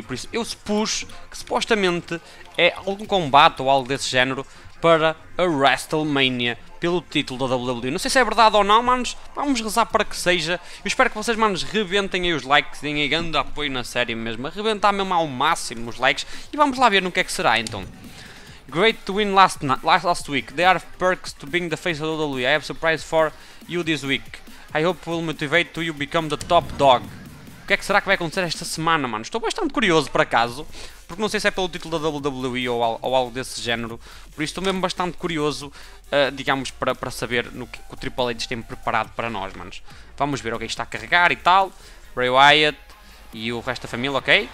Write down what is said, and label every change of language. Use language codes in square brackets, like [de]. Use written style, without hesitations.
[pt] Por isso eu supus que supostamente é algum combate ou algo desse género para a WrestleMania pelo título da WWE. Não sei se é verdade ou não, manos, vamos rezar para que seja. Eu espero que vocês, manos, rebentem aí os likes, deem aí grande apoio na série mesmo, arrebentar mesmo ao máximo os likes, e vamos lá ver no que é que será. Então, [en] great to win last week, there are perks to being the face of the WWE, I have a surprise for you this week, I hope will motivate to you become the top dog. [pt] O que é que será que vai acontecer esta semana, mano? Estou bastante curioso, por acaso, porque não sei se é pelo título da WWE ou algo desse género, por isso estou mesmo bastante curioso, digamos, para saber no que o Triple H tem preparado para nós, manos. Vamos ver, ok, está a carregar e tal, Bray Wyatt e o resto da família, ok?